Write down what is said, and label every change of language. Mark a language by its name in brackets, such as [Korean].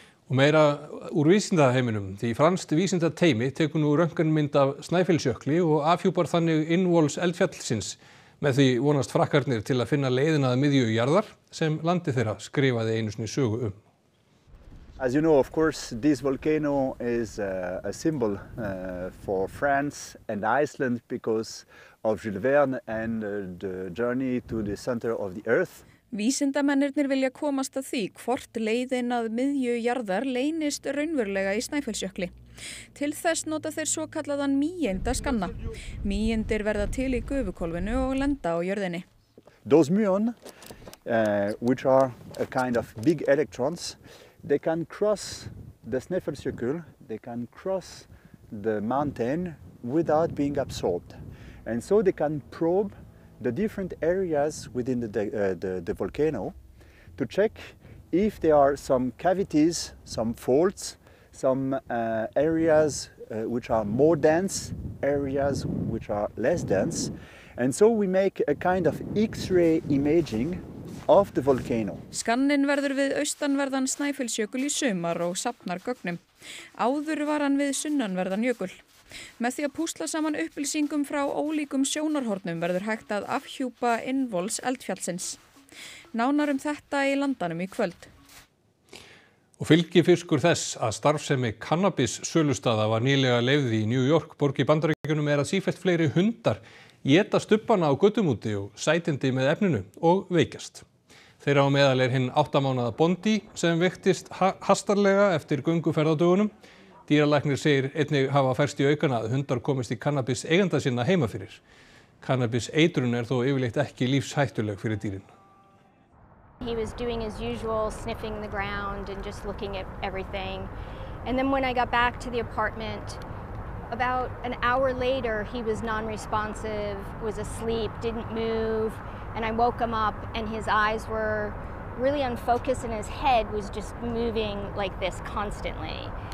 [Icelandic] Og meira úr vísindaheiminum, því franskt vísindateymi tekur nú röntgenmynd af Snæfellsjökli og afhjúpar þannig innvols eldfjallsins með því vonast frakkarnir til að finna leiðina að miðju jarðar sem landi þeirra skrifaði einu sinni sögu um. As you know, of course, this volcano is a symbol for France and Iceland because of Jules Verne and the journey to the center of the earth. Vísindamennirnir vilja komast að því hvort leiðin að miðju jarðar leynist raunverulega í Snæfellsjökli. Til þess nota þeir svo kallaðan mýeindaskanna. Mýeindir verða til í gufukólfinu og lenda á jörðinni. [English] Those muon, which are a kind of big electrons, they can cross the Snæfellsjökull, they can cross the mountain without being absorbed. And so they can probe the different areas within the volcano to check if there are some cavities, some faults, some areas which are more dense, areas which are less dense. And so we make a kind of X-ray imaging of the volcano. [Icelandic] Skanninn verður við austanverðan Snæfellsjökul í sumar og safnar gögnum. Áður var hann við sunnanverðan jökul. Með því að púsla saman upplýsingum frá ólíkum sjónarhornum verður hægt að afhjúpa innvols eldfjallsins. Nánar þetta í landanum í kvöld. Og fylgifiskur þess að starfsemi kannabis sölustaða var nýlega leyfð í New York borg í Bandaríkjunum að sífellt fleiri hundar éta stubbana á götum úti og sætindi með efninu og veikjast. Þeirra á meðal hinn 8 mánaða Bondi sem veiktist hastarlega eftir gönguferðadögunum. Dýralæknir segir einnig hafa færst í aukana að hundar komist í kannabis eiganda sinna heima fyrir. Kannabis eitrun þó yfirleitt ekki lífshættuleg fyrir dýrin. [English] He was doing as usual, sniffing the ground and just looking at everything. And then when I got back to the apartment, about an hour later, he was non-responsive, was asleep, didn't move. And I woke him up and his eyes were really unfocused and his head was just moving like this constantly.